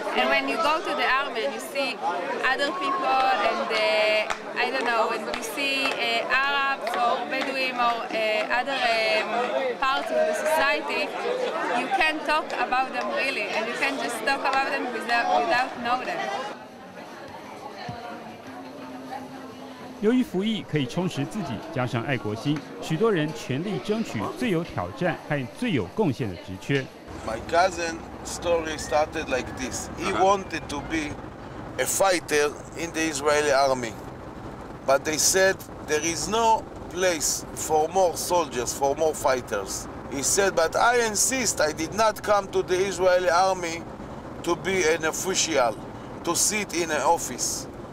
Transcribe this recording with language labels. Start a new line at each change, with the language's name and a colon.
English: And when you go to the army and you see other people and I don't know, when you see Arabs or Bedouin or other parts of the society, you can't talk about them really, and you can't just talk about them without knowing them.
Chinese: 由于服役可以充实自己，加上爱国心，许多人全力争取最有挑战和最有贡献的职缺。
English: My cousin's story started like this. He wanted to be a fighter in the Israeli army, but they said there is no place for more soldiers, for more fighters. He said, but I insist. I did not come to the Israeli army to be an official, to sit in an office.